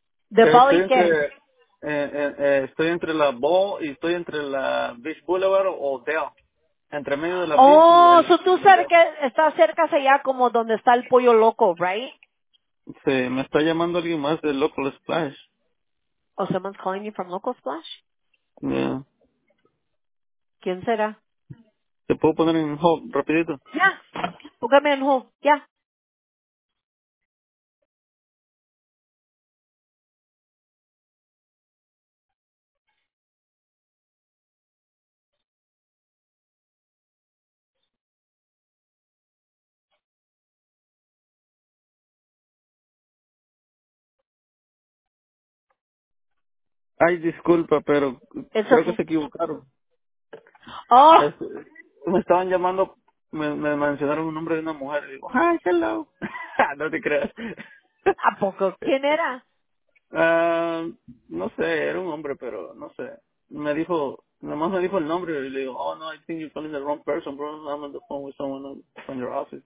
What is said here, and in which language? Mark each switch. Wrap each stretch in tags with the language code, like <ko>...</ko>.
<es>¿De Ball y qué? Estoy entre la Ball y estoy entre la Beach Boulevard o Dell. Entre medio de la Beach. Oh, so tú cerca, estás cerca allá como donde está el Pollo Loco, right? Sí, me está llamando alguien más de Local Splash.</es> <en>Oh, someone's calling you from Local Splash? Yeah.</en> <es>¿Quién será? ¿Te puedo poner en hold rapidito? Ya. Yeah. Póngame en hold. Ya. Yeah. Ay, disculpa, pero eso creo sí. Que se equivocaron. Oh. Me estaban llamando, me mencionaron un nombre de una mujer. Y digo, hi, hello. No te creas. ¿A poco? ¿Quién era? No sé, era un hombre, pero no sé. Me dijo, nomás me dijo el nombre.</es> <en>Y le digo, oh, no, I think you're calling the wrong person, bro. I'm on the phone with someone from your office.</en>